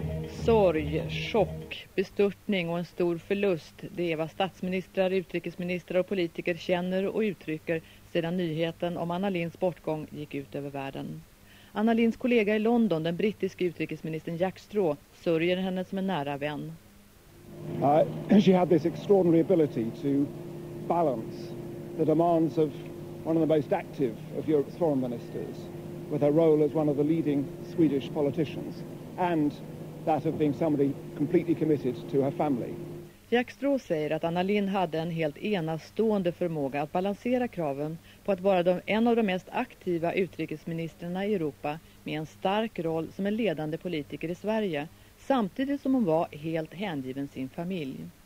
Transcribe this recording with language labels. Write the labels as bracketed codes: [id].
[sv] Sorg, chock, bestörtning och en stor förlust. Det är vad statsministrar, utrikesministrar och politiker känner och uttrycker sedan nyheten om Anna Lindhs bortgång gick ut över världen. Anna Lindhs kollega i London, den brittiska utrikesministern Jack Straw, sörjer henne som en nära vän. [en] She had this extraordinary ability to balance the demands of one of the most active of Europe's foreign ministers with her role as one of the leading Swedish politicians and that of being somebody completely committed to her family. [sv] Jack Straw säger att Anna Lindh hade en helt enastående förmåga att balansera kraven på att vara en av de mest aktiva utrikesministrarna i Europa med en stark roll som en ledande politiker i Sverige, samtidigt som hon var helt hängiven sin familj.